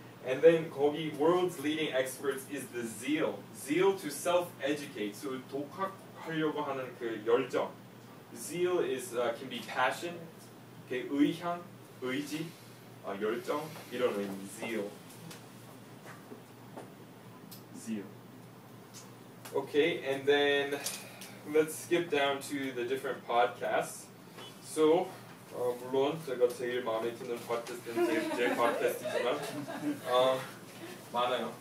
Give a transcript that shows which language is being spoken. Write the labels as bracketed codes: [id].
[en] And then [ko] 거기 [en] world's leading experts is the zeal to self-educate. [ko] So 독학하려고 하는 그 열정. [en] Zeal is can be passion, okay, [ko] 의향, 의지, 열정 이런 의미. [en] Zeal. Okay, and then let's skip down to the different podcasts. So. [ko] 물론 제가 제일 마음에 드는 팟캐스트는 제 팟캐스트지만 많아요.